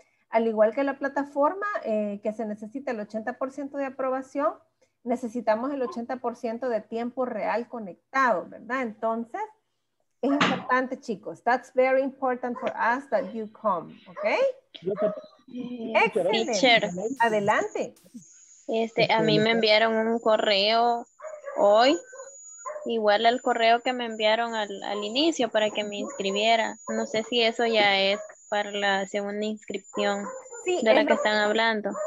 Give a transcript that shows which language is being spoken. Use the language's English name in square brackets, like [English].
[Spanish] Al igual que la plataforma, que se necesita el 80% de aprobación, necesitamos el 80% de tiempo real conectado, ¿verdad? Entonces, es importante, chicos. [English] That's very important for us that you come, ¿ok? [Spanish] Excelente. Adelante. A mí me enviaron un correo hoy, igual al correo que me enviaron al inicio para que me inscribiera. No sé si eso ya es para la segunda inscripción de la que están hablando.